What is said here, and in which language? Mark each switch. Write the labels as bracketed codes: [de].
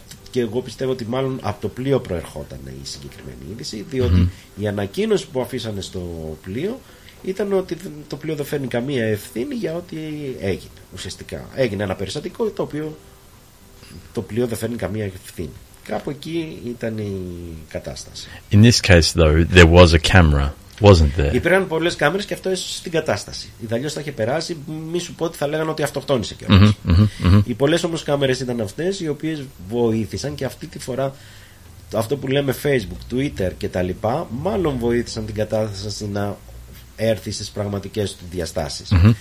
[el] Και εγώ πιστεύω ότι μάλλον από το πλοίο προερχόταν η συγκεκριμένη είδηση, διότι η ανακοίνωση που αφήσανε στο πλοίο ήταν ότι το πλοίο δεν φέρνει καμία ευθύνη για ό,τι έγινε. Ουσιαστικά έγινε ένα περιστατικό το οποίο το πλοίο δεν φέρνει καμία ευθύνη. Κάπου εκεί ήταν η κατάσταση. [en] In this case though, there was a camera, wasn't there? [el] Υπήρχαν πολλές κάμερες και αυτό έσωσε την κατάσταση. Ιδαλλιώς θα είχε περάσει, μη σου πω ότι θα λέγανε ότι αυτοκτόνησε κιόλας. Οι πολλές όμως κάμερες ήταν αυτές οι οποίες βοήθησαν και αυτή τη φορά αυτό που λέμε Facebook, Twitter κτλ. Μάλλον βοήθησαν την κατάσταση να έρθει στις πραγματικές του διαστάσεις.